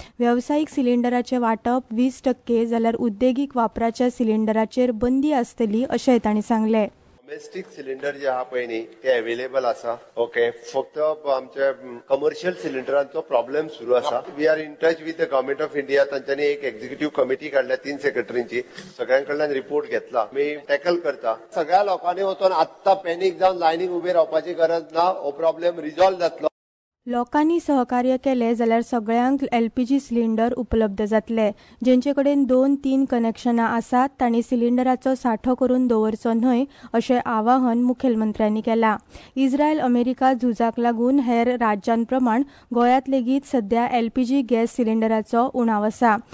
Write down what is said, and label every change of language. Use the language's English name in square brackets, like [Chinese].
[Konkani] वेवसायीक सिलिंडराचें वांटप 20% जाल्यार उद्देगीक वापराच्या सिलिंडराचेर बंदी आसतली अशेंय तांणी सांगलें. डोमेस्टीक सिलिंडर जे आहा पळय न्ही ते अवेलेबल आसा. ओके, फक्त आमचे कमर्शियल सिलिंडरांचो प्रॉब्लेम सुरू आसा. [English] We are in touch with the government of India. [Konkani] तांच्यानी एक एक्झिक्युटिव्ह कमिटी काढल्या 3 सेक्रेटरींची. सगळ्यां कडल्यान रिपोर्ट घेतला, मी टॅकल करता. सगळ्या लोकांनी वचून आत्ता पॅनिक जावन लायनीक उभे रावपाची गरज ना, हो प्रॉब्लेम रिझॉल्व जातलो. लोकांनी सहकार्य केले जाल्यार सगळ्यांक एलपीजी सिलिंडर उपलब्ध जातले. जेंचे कडेन 2-3 कनेक्शनां आसात तांणी सिलिंडराचो साठो करून दवरचो न्हय अशें आवाहन मुखेलमंत्र्यांनी केलां. इस्रायल अमेरिका झुजाक लागून हेर राज्यांप्रमाण गोंयांत लेगीत सध्या एलपीजी गॅस सिलिंडराचो उणाव आसा.